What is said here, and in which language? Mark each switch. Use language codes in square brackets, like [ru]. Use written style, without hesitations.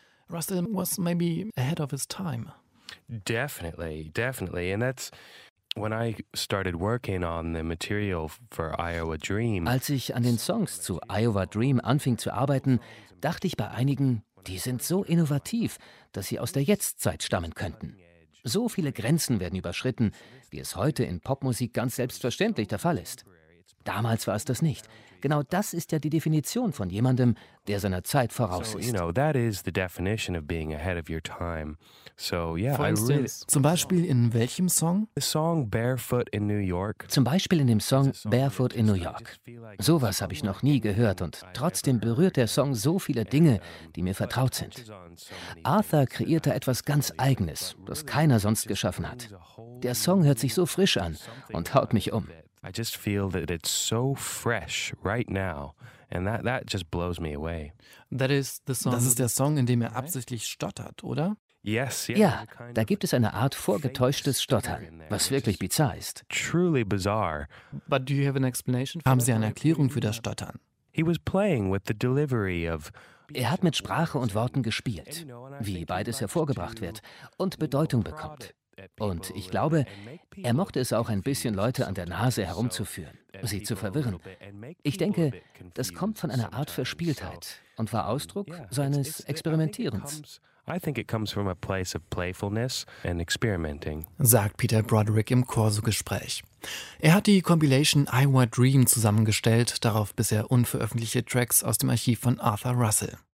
[en] Russell was maybe ahead of his time. Definitely, definitely. And that's when I started working on the material for Iowa Dream. [de] Als ich an den Songs zu Iowa Dream anfing zu arbeiten, dachte ich bei einigen, die sind so innovativ, dass sie aus der Jetztzeit stammen könnten. So viele Grenzen werden überschritten, wie es heute in Popmusik ganz selbstverständlich der Fall ist. Damals war es das nicht. Genau das ist ja die Definition von jemandem, der seiner Zeit voraus ist. [en] So, you know, that is the definition of being ahead of your time. So, yeah, for instance, [de] zum Beispiel in welchem Song? [en] The song Barefoot in New York. [de] Zum Beispiel in dem Song Barefoot in New York. Sowas habe ich noch nie gehört und trotzdem berührt der Song so viele Dinge, die mir vertraut sind. Arthur kreierte etwas ganz Eigenes, das keiner sonst geschaffen hat. Der Song hört sich so frisch an und haut mich um. [en] I just feel that it's so fresh right now, and that just blows me away. That is the song. [de] Das ist der Song, in dem er absichtlich stottert, oder? [en] Yes. [de] Ja, da gibt es eine Art vorgetäuschtes Stottern, was wirklich bizarr ist. [en] Truly bizarre. But do you have an explanation? [de] Haben Sie eine Erklärung für das Stottern? [en] He was playing with the delivery of. [de] Er hat mit Sprache und Worten gespielt, wie beides hervorgebracht wird und Bedeutung bekommt. Und ich glaube, er mochte es auch ein bisschen, Leute an der Nase herumzuführen, sie zu verwirren. Ich denke, das kommt von einer Art Verspieltheit und war Ausdruck seines Experimentierens. [en] I think it comes from a place of playfulness and experimenting, [de] sagt Peter Broderick im Corso-Gespräch. Er hat die Compilation Iowa Dream zusammengestellt, darauf bisher unveröffentlichte Tracks aus dem Archiv von Arthur Russell.